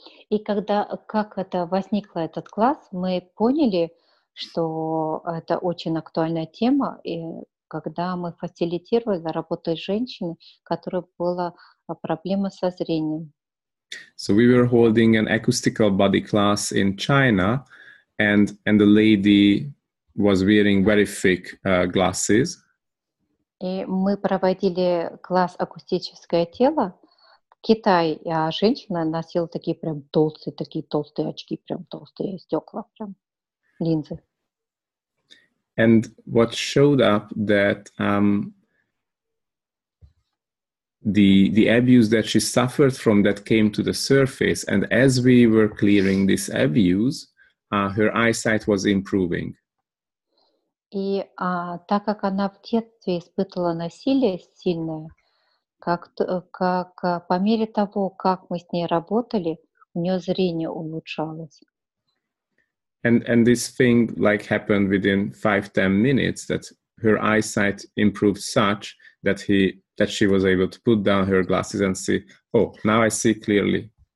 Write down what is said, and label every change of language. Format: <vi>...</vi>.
<ru>И когда, как это возникло, этот класс, мы поняли, что это очень актуальная тема, и когда мы фасилитировали работу женщины, которая была проблема со зрением.</ru> <en>So we were holding an acoustical body class in China, and the lady was wearing very thick glasses.</en> <ru>И мы проводили класс акустическое тело, Китай, а женщина носила такие толстые очки, прям толстые стекла, прям линзы.</ru> <en>And what showed up that the abuse that she suffered from that came to the surface, and as we were clearing this abuse, her eyesight was improving.</en> <ru>И так как она в детстве испытывала насилие сильное, как по мере того, как мы с ней работали, у нее зрение улучшалось.</ru> <en>And this thing like happened within 5-10 minutes that her eyesight improved such that she was able to put down her glasses and see, oh, now I see clearly.</en>